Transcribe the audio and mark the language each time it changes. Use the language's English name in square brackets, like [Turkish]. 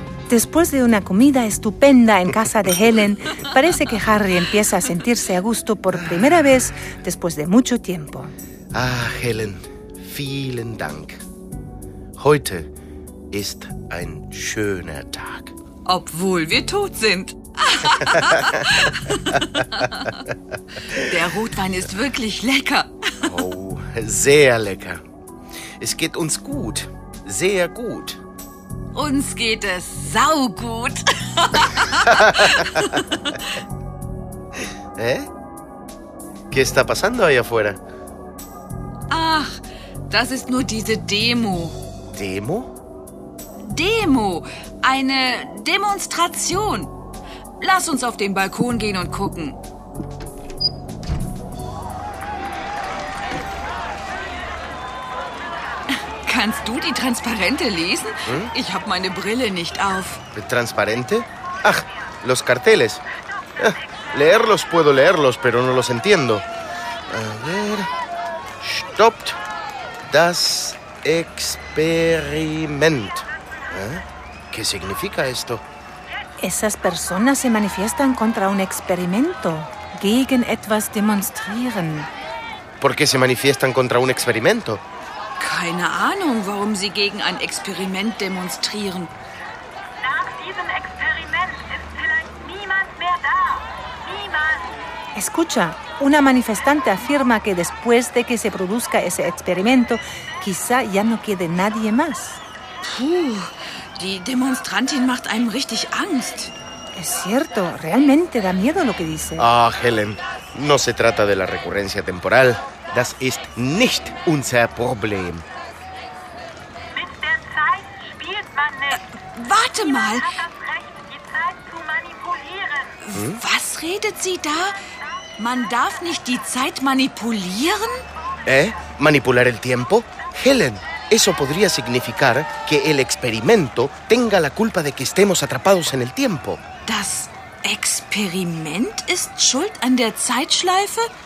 [Spanish] Después de una comida estupenda en casa de Helen, parece que Harry empieza a sentirse a gusto por primera vez después de mucho tiempo. [German] Ah, Helen, vielen Dank. Heute ist ein schöner Tag. Obwohl wir tot sind. Der Rotwein ist wirklich lecker. Oh, sehr lecker. Es geht uns gut, sehr gut. Uns geht es saugut. ¿Eh? [Spanish] ¿Qué está pasando allá afuera? [German] Ach, das ist nur diese Demo. Demo? Demo, eine Demonstration. Lass uns auf den Balkon gehen und gucken. Kannst du die Transparente lesen? Hm? Ich habe meine Brille nicht auf. [Spanish] Transparente? Ach, los carteles. Leerlos puedo leerlos, pero no los entiendo. A ver. [German] Stoppt das Experiment. [Spanish] ¿Qué significa esto? Esas personas se manifiestan contra un experimento. [German] Gegen etwas demonstrieren. [Spanish] ¿Por qué se manifiestan contra un experimento? [German] Keine Ahnung, warum sie gegen ein Experiment demonstrieren. Nach diesem Experiment ist vielleicht niemand mehr da. Niemand. [Spanish] Escucha, una manifestante afirma que después de que se produzca ese experimento, quizá ya no quede nadie más. [German] Puh, die Demonstrantin macht einem richtig Angst. [Spanish] Es cierto, realmente da miedo lo que dice. Ah, Helen, no se trata de la recurrencia temporal. [German] Das ist nicht unser Problem. Mit der Zeit spielt man nicht. Warte mal. Niemand hat das Recht, die Zeit zu manipulieren. Was redet sie da? Man darf nicht die Zeit manipulieren? [Spanish] Manipular el tiempo? Helen, eso podría significar que el experimento tenga la culpa de que estemos atrapados en el tiempo. [German] Das Experiment ist schuld an der Zeitschleife?